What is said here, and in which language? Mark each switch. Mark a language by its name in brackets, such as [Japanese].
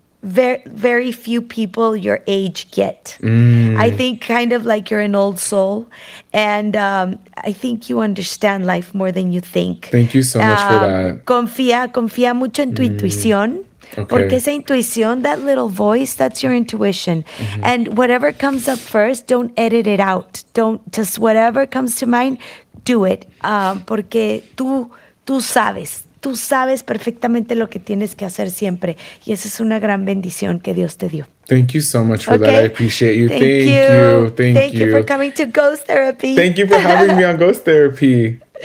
[English] Very few people your age get. I think kind of like you're an old soul, and I think you understand life more than you think. Thank you so much for that. [Spanish] Confía mucho en tu intuición. [English] Okay. [Spanish] Porque esa intuición, [English] that little voice, that's your intuition. Mm-hmm. And whatever comes up first, don't edit it out. Don't just whatever comes to mind, do it. [Spanish] Porque tú sabes. Tú sabes perfectamente lo que tienes que hacer siempre. Y esa es una gran bendición que Dios te dio. [English] Thank you so much for that. I appreciate you. Thank you for coming to Ghost Therapy. Thank you for having me on Ghost Therapy.